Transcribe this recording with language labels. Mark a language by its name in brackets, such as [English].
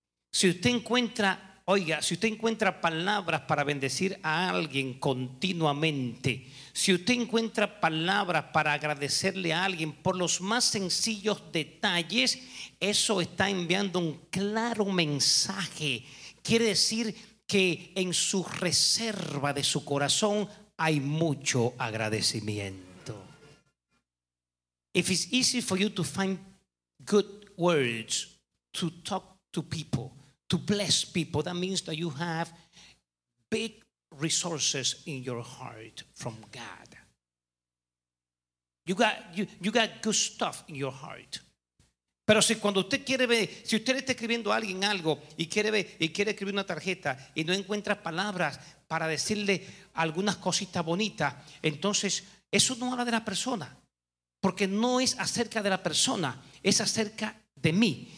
[Spanish] Si usted encuentra, oiga, si usted encuentra palabras para bendecir a alguien continuamente, si usted encuentra palabras para agradecerle a alguien por los más sencillos detalles, eso está enviando un claro mensaje. Quiere decir que en su reserva de su corazón hay mucho agradecimiento. [English] If it's easy for you to find good words to talk to people, to bless people, that means that you have big resources in your heart from God. You got good stuff in your heart. [Spanish] Pero si cuando usted quiere ver, si usted está escribiendo a alguien algo y quiere ver, y quiere escribir una tarjeta y no encuentra palabras para decirle algunas cositas bonitas, entonces eso no habla de la persona, porque no es acerca de la persona, es acerca de mí.